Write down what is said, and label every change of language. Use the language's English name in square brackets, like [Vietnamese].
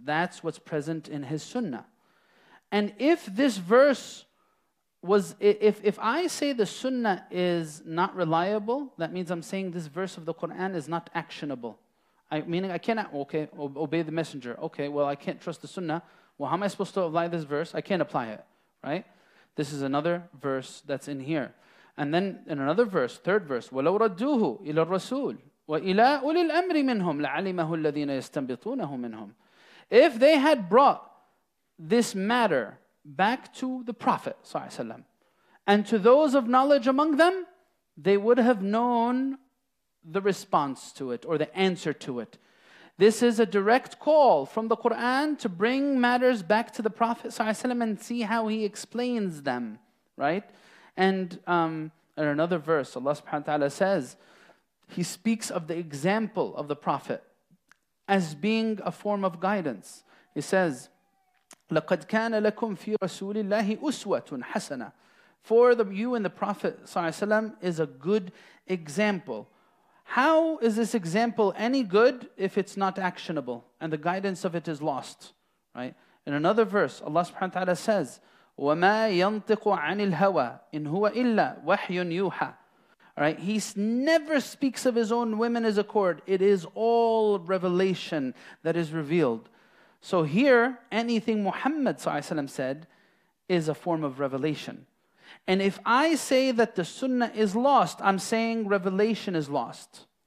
[English] That's what's present in His sunnah. And if this verse was, if I say the sunnah is not reliable, that means I'm saying this verse of the Quran is not actionable. Meaning I cannot, okay, obey the messenger. Okay, well, I can't trust the sunnah. Well, how am I supposed to apply this verse? I can't apply it, right? This is another verse that's in here. And then in another verse, third verse, [Arabic] وَلَوْ رَدُّوهُ إِلَى الرَّسُولِ وَإِلَى أُولِي الْأَمْرِ مِنْهُمْ لَعَلِمَهُ الَّذِينَ يَسْتَنْبِطُونَهُ مِنْهُمْ. [English] If they had brought this matter back to the Prophet ﷺ and to those of knowledge among them, they would have known the response to it or the answer to it. This is a direct call from the Quran to bring matters back to the Prophet ﷺ and see how he explains them, right? And in another verse, Allah subhanahu wa ta'ala says, He speaks of the example of the Prophet as being a form of guidance. He says, [Arabic] لَقَدْ كَانَ لَكُمْ فِي رَسُولِ اللَّهِ أُسْوَةٌ حَسَنَةٌ. [English] For you and the Prophet ﷺ is a good example. How is this example any good if it's not actionable and the guidance of it is lost? Right? In another verse, Allah subhanahu wa ta'ala says, [Arabic] وَمَا يَنْطِقُ عَنِ الْهَوَى إِنْ هُوَ إِلَّا وَحْيٌ يُوحَى. [English] Right? He never speaks of his own whim and his accord. It is all revelation that is revealed. So here, anything Muhammad ﷺ said is a form of revelation. And if I say that the sunnah is lost, I'm saying revelation is lost.